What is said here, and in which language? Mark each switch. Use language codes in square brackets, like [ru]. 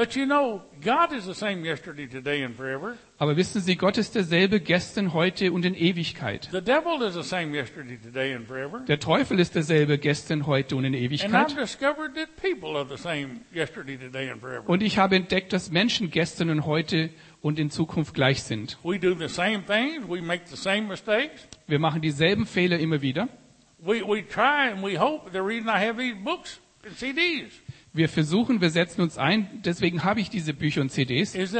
[en] But you know, God is the same yesterday, today and forever. [de] Aber wissen Sie, Gott ist derselbe gestern, heute und in Ewigkeit. [en] The devil is the same yesterday, today and forever. [de] Der Teufel ist derselbe gestern, heute und in Ewigkeit. [en] And I've discovered that people are the same yesterday, today and forever. [de] Und ich habe entdeckt, dass Menschen gestern und heute und in Zukunft gleich sind. [en] We do the same things, we make the same mistakes. [de] Wir machen dieselben Fehler immer wieder. [en] We try and we hope, the reason I have these books and CDs. [de] Wir versuchen, wir setzen uns ein, deswegen habe ich diese Bücher und CDs.